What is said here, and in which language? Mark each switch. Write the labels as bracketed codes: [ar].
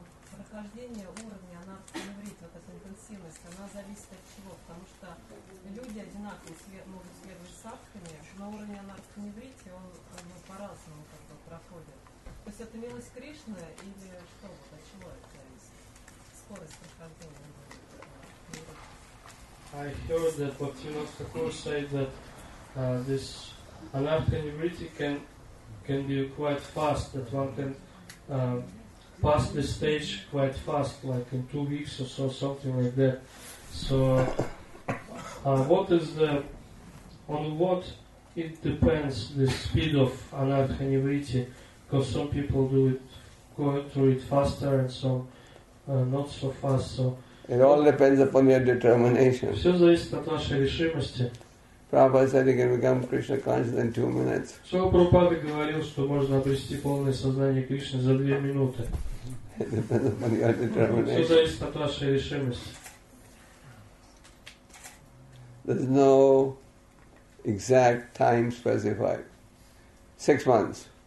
[ru] Прохождение уровня, она говорит, вот эта интенсивность, она зависит от чего? Потому что люди одинаковые могут следовать садхами, но уровень анархоневрити, он по-разному как бы проходит. То есть это милость Кришны или что? От чего это зависит? Скорость прохождения уровня. [en] I heard that Bhaktivinoda Thakur said that this anarcho-nivriti can be quite fast, that one can pass the stage quite fast, like in 2 weeks or so, something like that. So What is the, on what it depends the speed of anartha nivritti? Because some people do it, go through it faster, and some not so fast. So it all depends upon your determination. [ru] Все зависит от вашей решимости. [en] Prabhupada said you can become Krishna conscious in 2 minutes. [ru] So Prabhupada говорил, что можно обрести полное сознание Кришны за 2 минуты. [en] It depends upon your determination. [ru] Все зависит от вашей решимости. [en] There's no exact time specified. 6 months.